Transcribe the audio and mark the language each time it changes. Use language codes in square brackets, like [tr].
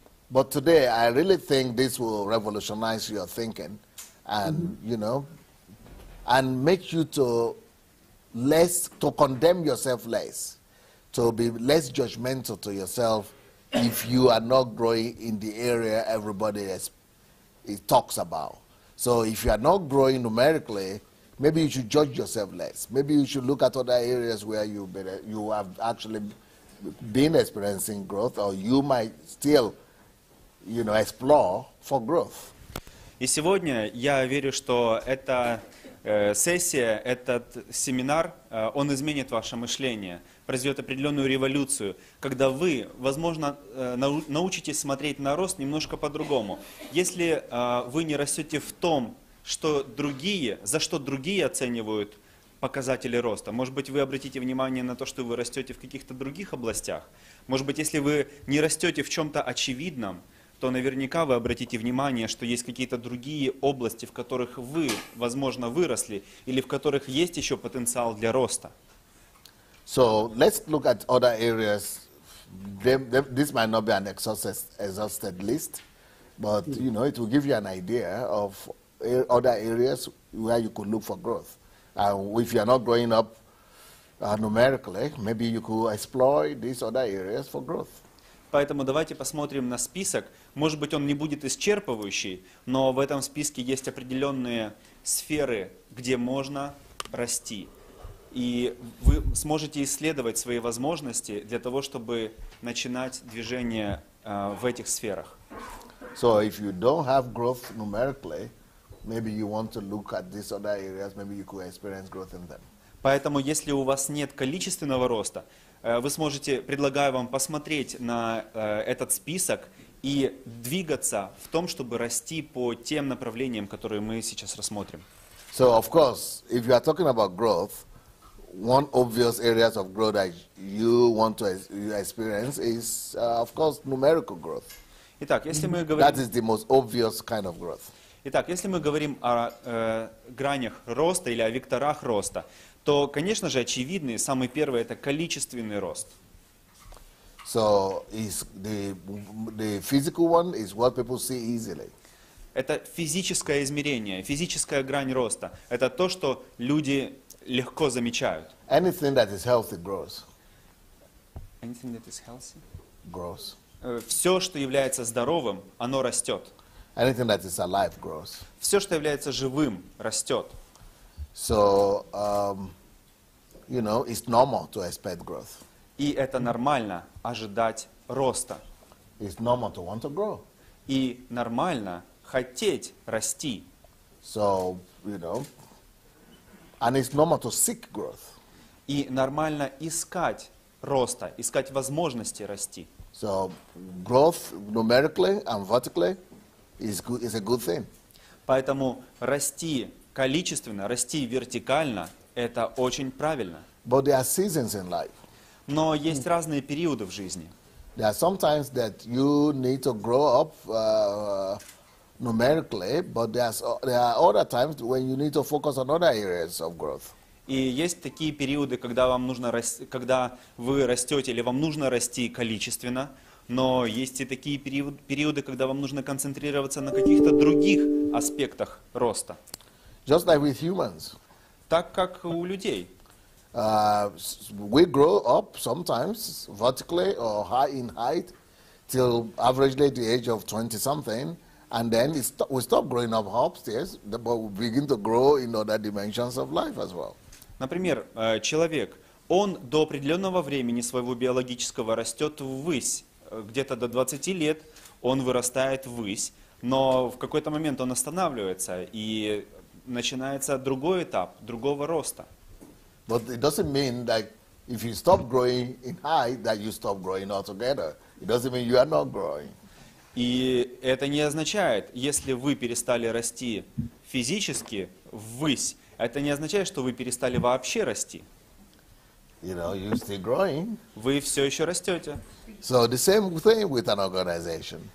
[en] But today, I really think this will revolutionize your thinking, and you know, and make you to less to condemn yourself less, to be less judgmental to yourself if you are not growing in the area everybody it talks about. So if you are not growing numerically, maybe you should judge yourself less. Maybe you should look at other areas where you have actually been experiencing growth, or you might still, you know, explore for growth. [ru] И сегодня я верю, что эта сессия, этот семинар, он изменит ваше мышление, произведет определенную революцию, когда вы, возможно, научитесь смотреть на рост немножко по-другому. Если вы не растете в том, что другие, за что другие оценивают показатели роста, может быть, вы обратите внимание на то, что вы растете в каких-то других областях. Может быть, если вы не растете в чем-то очевидном, то наверняка вы обратите внимание, что есть какие-то другие области, в которых вы, возможно, выросли, или в которых есть еще потенциал для роста. [en] So let's look at other areas. This might not be an exhausted list, but you know, it will give you an idea of other areas where you could look for growth. If you are not growing up numerically, maybe you could explore these other areas for growth. [ru] Поэтому давайте посмотрим на список. Может быть, он не будет исчерпывающий, но в этом списке есть определенные сферы, где можно расти. И вы сможете исследовать свои возможности для того, чтобы начинать движение в этих сферах. [en] So if you don't have growth numerically, maybe you want to look at these other areas, maybe you could experience growth in them. [ru] Поэтому, если у вас нет количественного роста, вы сможете, предлагаю вам посмотреть на этот список и двигаться в том, чтобы расти по тем направлениям, которые мы сейчас рассмотрим. [en] So, of course, if you are talking about growth, one obvious areas of growth that you want to experience is, of course, numerical growth. [ru] Итак, если мы говорим... [en] That is the most obvious kind of growth. [ru] Итак, если мы говорим о гранях роста или о векторах роста, то, конечно же, очевидный, самый первый, это количественный рост. [en] So is the physical one is what people see easily. [ru] Это физическое измерение, физическая грань роста. Это то, что люди легко замечают. [en] Anything that is healthy grows. Anything that is healthy? Grows. [ru] Все, что является здоровым, оно растет. [en] Anything that is alive grows. [ru] Все, что является живым, растет. [en] So, you know, it's normal to expect growth. [ru] И это нормально ожидать роста. [en] It's normal to want to grow. [ru] И нормально хотеть расти. [en] So, you know, and it's normal to seek growth. [ru] И нормально искать роста, искать возможности расти. [en] So, growth numerically and vertically is a good thing. [ru] Поэтому расти количественно, расти вертикально, это очень правильно. [en] But there are seasons in life. [ru] Но есть разные периоды в жизни. [en] There are sometimes that you need to grow up numerically, but there are other times when you need to focus on other areas of growth. [ru] И есть такие периоды, когда вам нужно когда вы растете или вам нужно расти количественно, но есть и такие периоды, когда вам нужно концентрироваться на каких-то других аспектах роста. [en] Just like with humans. [ru] Так как у людей. [en] We grow up sometimes vertically or high in height till averagely the age of 20 something, and then we stop growing up upstairs, but we begin to grow in other dimensions of life as well. [ru] Например, человек, он до определенного времени своего биологического растет ввысь, где-то до 20 лет он вырастает ввысь, но в какой-то момент он останавливается и начинается другой этап, другого роста. [en] But it doesn't mean that if you stop growing in height, that you stop growing altogether. It doesn't mean you are not growing. [ru] И это не означает, если вы перестали расти физически ввысь, это не означает, что вы перестали вообще расти. [en] You know, you're still growing. [ru] Вы все еще растете. [en] So the same thing with an organization.